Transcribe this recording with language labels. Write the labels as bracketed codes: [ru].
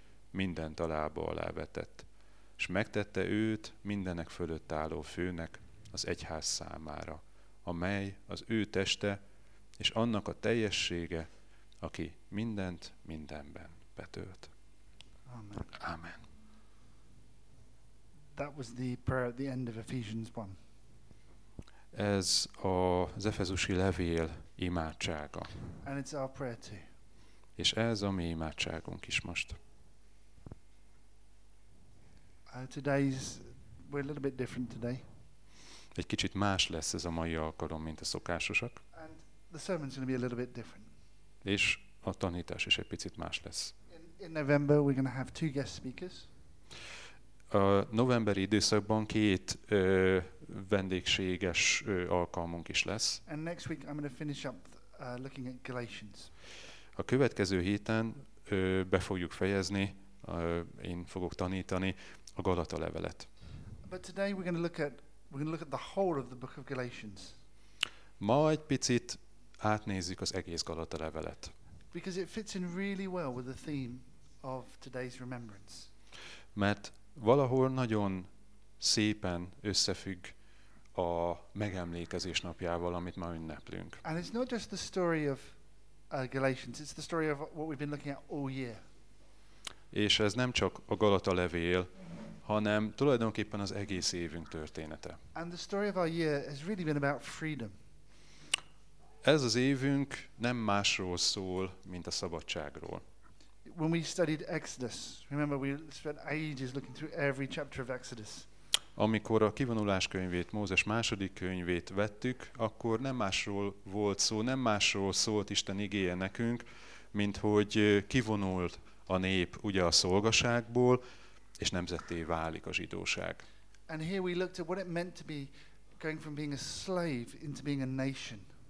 [hu] Minden talába alá vetett, s megtette őt mindenek fölött álló főnek az egyház számára, amely az ő teste, és annak a teljessége, aki mindent mindenben betölt. Amen. Amen. [en] That was the prayer at the end of Ephesians 1. [hu] Ez az Efezusi levél imádsága. [en] And it's our prayer too. [hu] És ez a mi imádságunk is most. [en] Today's we're a little bit different today. [hu] Egy kicsit más lesz ez a mai alkalom, mint a szokásosak. [en] And the sermon's going to be a little bit different. [hu] És a tanítás is egy picit más lesz. [en] In November we're going to have two guest speakers. [hu] A novemberi időszakban két vendégséges alkalmunk is lesz. [en] And next week I'm going to finish up looking at Galatians. [hu] A következő héten be fogjuk fejezni, én fogok tanítani a Galata levelet. [en] But today we're going to look at the whole of the book of Galatians. [hu] Ma egy picit átnézzük az egész Galata levelet. [en] Because it fits in really well with the theme of today's remembrance. [hu] Mert valahol nagyon szépen összefügg a megemlékezés napjával, amit ma ünneplünk. [en] And it's not just the story of Galatians, it's the story of what we've been looking at all year. [hu] És ez nem csak a Galata levél, hanem tulajdonképpen az egész évünk története. [en] And the story of our year has really been about freedom. [hu] Ez az évünk nem másról szól, mint a szabadságról. [en] When we studied Exodus, remember we spent ages looking through every chapter of Exodus. [hu] Amikor a kivonulás könyvét, Mózes második könyvét vettük, akkor nem másról volt szó, nem másról szólt Isten igéje nekünk, mint hogy kivonult a nép ugye a szolgaságból, és nemzetté válik a zsidóság. [en] And here we looked at what it meant to be going from being a slave into being a nation.